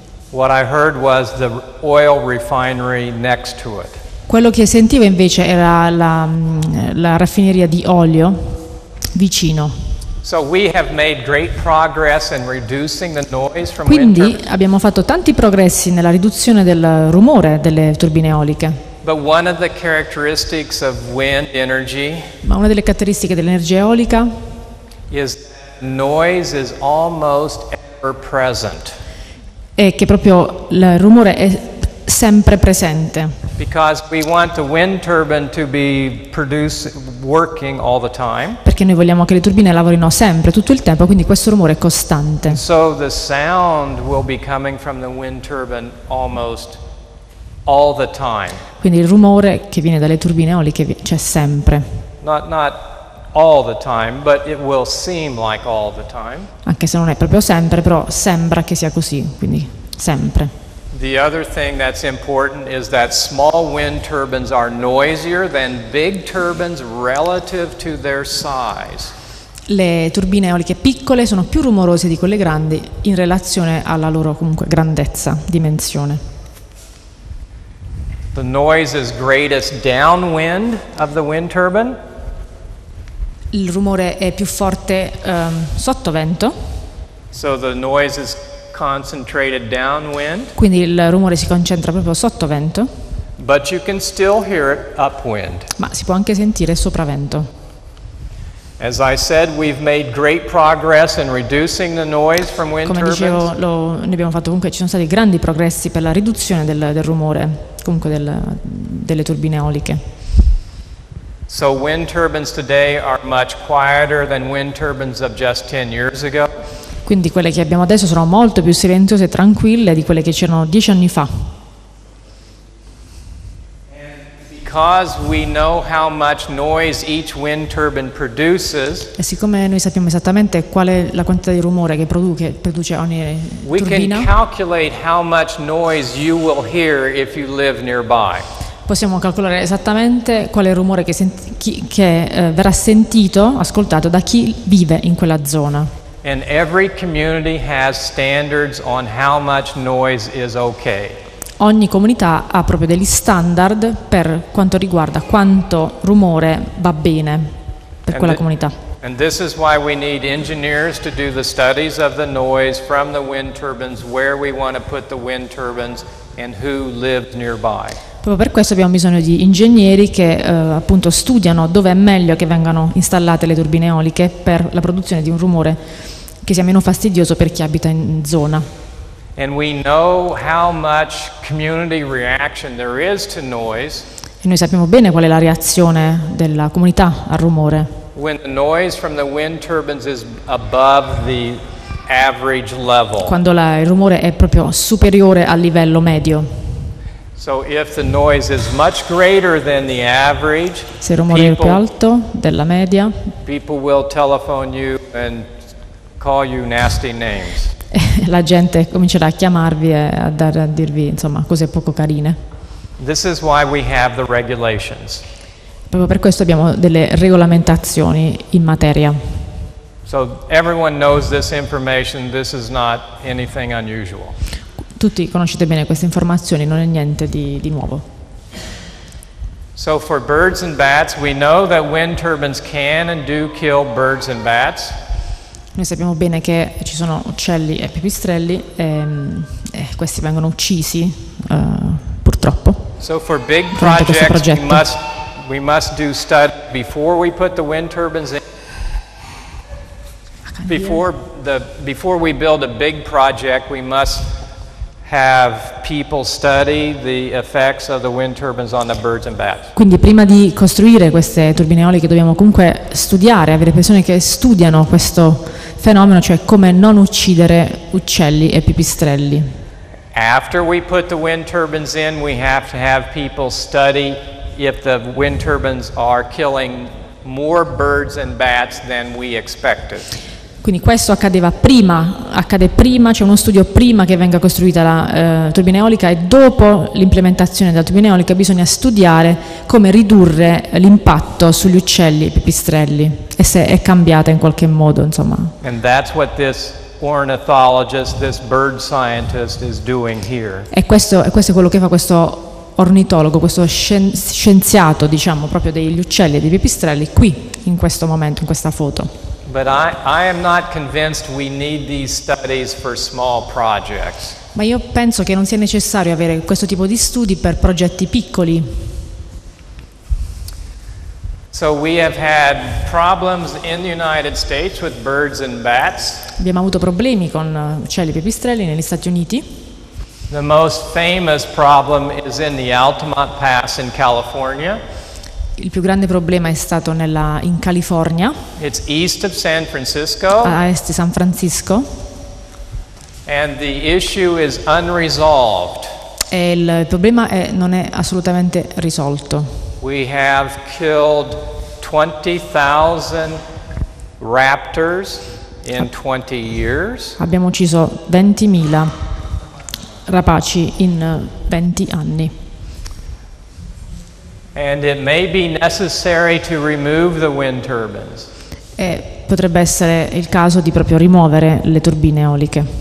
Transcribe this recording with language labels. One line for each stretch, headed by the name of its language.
English: What I heard was the oil refinery next to it.
Italian: Quello che sentivo invece era la raffineria di olio vicino.
English: So we have made great progress in reducing the noise from.
Italian: Quindi abbiamo fatto tanti progressi nella riduzione del rumore delle turbine eoliche.
English: But one of the characteristics of wind energy.
Italian: Ma una delle caratteristiche dell'energia eolica
English: is noise is almost ever present.
Italian: È che proprio il rumore è sempre presente.
English: Because we want the wind turbine to be produced working all the time.
Italian: Perché noi vogliamo che le turbine lavorino sempre, tutto il tempo, quindi questo rumore è costante.
English: And so the sound will be coming from the wind turbine almost all the time.
Italian: Quindi il rumore che viene dalle turbine eoliche c'è sempre.
English: Not all the time, but it will seem like all the time.
Italian: Anche se non è proprio sempre, però sembra che sia così, quindi sempre.
English: The other thing that's important is that small wind turbines are noisier than big turbines relative to their size.
Italian: Le turbine eoliche piccole sono più rumorose di quelle grandi in relazione alla loro comunque grandezza, dimensione.
English: The noise is greatest downwind of the wind turbine.
Italian: Il rumore è più forte sotto vento.
English: So the noise is concentrated downwind.
Italian: Quindi il rumore si concentra proprio sotto vento.
English: But you can still hear it upwind.
Italian: Ma si può anche sentire sopra vento.
English: As I said, we've made great progress in reducing the noise from wind turbines.
Italian: Come dicevo, ne abbiamo fatto comunque, ci sono stati grandi progressi per la riduzione del rumore, comunque delle turbine eoliche.
English: So wind turbines today are much quieter than wind turbines of just 10 years ago.
Italian: Quindi quelle che abbiamo adesso sono molto più silenziose e tranquille di quelle che c'erano 10 anni fa.
English: And because we know how much noise each wind turbine produces.
Italian: E siccome noi sappiamo esattamente qual è la quantità di rumore che produce ogni turbina.
English: We can calculate how much noise you will hear if you live nearby.
Italian: Possiamo calcolare esattamente qual è il rumore che verrà sentito, ascoltato da chi vive in quella zona.
English: And every community has standards on how much noise is okay.
Italian: Ogni comunità ha proprio degli standard per quanto riguarda quanto rumore va bene per
English: and
Italian: quella comunità.
English: And this is why we need engineers to do the studies of the noise from the wind turbines, where we want to put the wind turbines and who lived nearby.
Italian: Proprio per questo abbiamo bisogno di ingegneri che appunto studiano dove è meglio che vengano installate le turbine eoliche per la produzione di un rumore che sia meno fastidioso per chi abita in zona.
English: And we know how much community reaction there is to noise.
Italian: E noi sappiamo bene qual è la reazione della comunità al rumore.
English: When the noise from the wind turbines is above the average level.
Italian: Quando il rumore è proprio superiore al livello medio.
English: So if the noise is much greater than the average,
Italian: se il rumore è più alto della media,
English: people will telephone you and call you nasty names.
Italian: La gente comincerà a chiamarvi e a dirvi insomma cose poco carine.
English: This is why we have the regulations.
Italian: Proprio per questo abbiamo delle regolamentazioni in materia.
English: So everyone knows this information, this is not anything unusual.
Italian: Tutti conoscete bene queste informazioni, non è niente di nuovo.
English: So for birds and bats, we know that wind turbines can and do kill birds and bats.
Italian: Noi sappiamo bene che ci sono uccelli e pipistrelli e questi vengono uccisi purtroppo.
English: So for big projects we must do study before we put the wind turbines in. Before we build a big project, we must have people study the effects of the wind turbines on the birds and bats.
Italian: Quindi prima di costruire queste turbine eoliche dobbiamo comunque studiare, avere persone che studiano questo fenomeno, cioè come non uccidere uccelli e pipistrelli.
English: After we put the wind turbines in, we have to have people study if the wind turbines are killing more birds and bats than we expected.
Italian: Quindi questo accade prima, c'è uno studio prima che venga costruita la turbina eolica, e dopo l'implementazione della turbina eolica bisogna studiare come ridurre l'impatto sugli uccelli e pipistrelli e se è cambiata in qualche modo, insomma.
English: And that's what this ornithologist, this bird scientist is doing here.
Italian: E questo è quello che fa questo ornitologo, questo scienziato, diciamo, proprio degli uccelli e dei pipistrelli qui in questo momento, in questa foto.
English: But I am not convinced we need these studies for small projects.
Italian: Ma io penso che non sia necessario avere questo tipo di studi per progetti piccoli.
English: So we have had problems in the United States with birds and bats.
Italian: Abbiamo avuto problemi con uccelli e pipistrelli negli Stati Uniti.
English: The most famous problem is in the Altamont Pass in California.
Italian: Il più grande problema è stato in California.
English: It's east of San Francisco.
Italian: A est di San Francisco.
English: And the issue is unresolved.
Italian: E il problema non è assolutamente risolto.
English: We have killed 20,000 raptors in 20 years.
Italian: Abbiamo ucciso 20,000 rapaci in 20 anni.
English: And it may be necessary to remove the wind turbines.
Italian: E potrebbe essere il caso di proprio rimuovere le turbine eoliche.